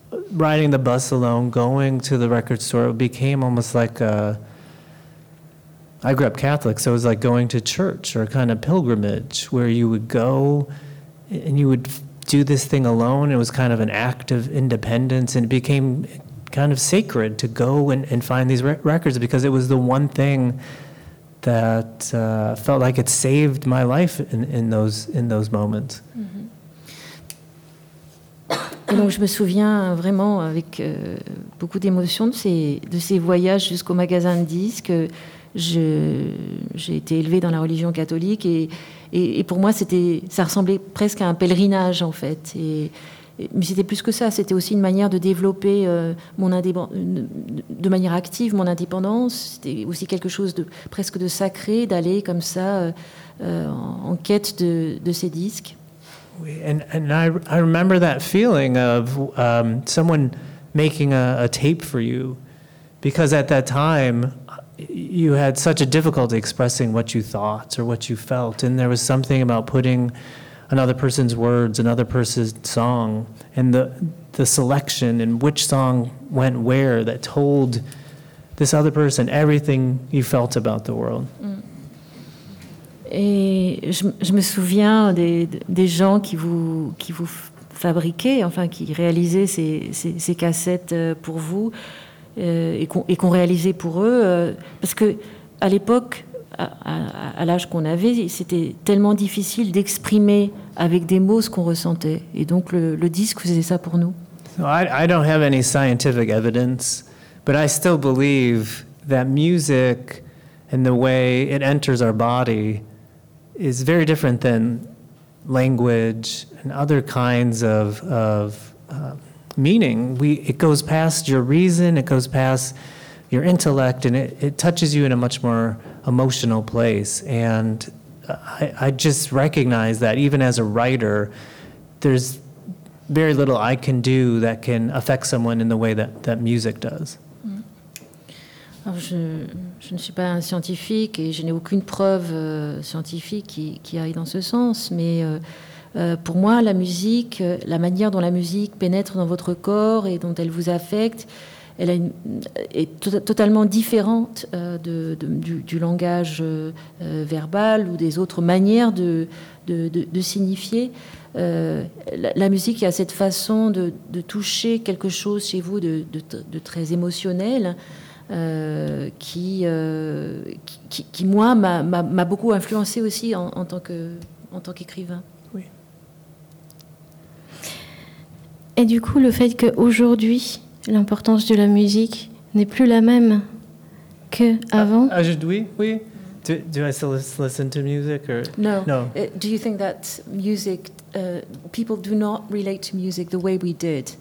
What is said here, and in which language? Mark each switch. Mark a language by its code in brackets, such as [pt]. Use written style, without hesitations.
[en] Riding the bus alone, going to the record store, it became almost like I grew up Catholic, so it was like going to church or a kind of pilgrimage where you would go and you would do this thing alone. It was kind of an act of independence, and it became kind of sacred to go and find these records because it was the one thing that felt like it saved my life in those moments. Mm-hmm. [fr] Et donc je me souviens vraiment avec beaucoup d'émotion de ces voyages jusqu'au magasin de disques. J'ai été élevée dans la religion catholique et pour moi ça ressemblait presque à un pèlerinage en fait. Mais c'était plus que ça, c'était aussi une manière de développer de manière active mon indépendance. C'était aussi quelque chose de presque de sacré d'aller comme ça en quête de ces disques. [en] And I remember that feeling of someone making a tape for you, because at that time you had such a difficulty expressing what you thought or what you felt, and there was something about putting another person's words, another person's song, and the selection and which song went where that told this other person everything you felt about the world. Mm. [fr] Et je me souviens des gens qui vous fabriquaient, enfin qui réalisaient ces cassettes pour vous et qu'on réalisait pour eux, parce que à l'époque, à l'âge qu'on avait, c'était tellement difficile d'exprimer avec des mots ce qu'on ressentait, et donc le disque faisait ça pour nous. [en] So I don't have any scientific evidence, but I still believe that music and the way it enters our body is very different than language and other kinds of meaning. It goes past your reason, it goes past your intellect, and it touches you in a much more emotional place. And I just recognize that even as a writer, there's very little I can do that can affect someone in the way that music does. [fr] Alors je ne suis pas un scientifique et je n'ai aucune preuve scientifique qui aille dans ce sens, mais pour moi, la musique, la manière dont la musique pénètre dans votre corps et dont elle vous affecte, elle est totalement différente du langage verbal ou des autres manières de signifier. La musique a cette façon de toucher quelque chose chez vous de très émotionnel. Qui moi m'a beaucoup influencé aussi en tant qu'écrivain. Oui. Et du coup, le fait qu'aujourd'hui l'importance de la musique n'est plus la même qu'avant. Aujourd'hui, oui. [en] Do I still listen to music or no? No. Do you think that music people do not relate to music the way we did?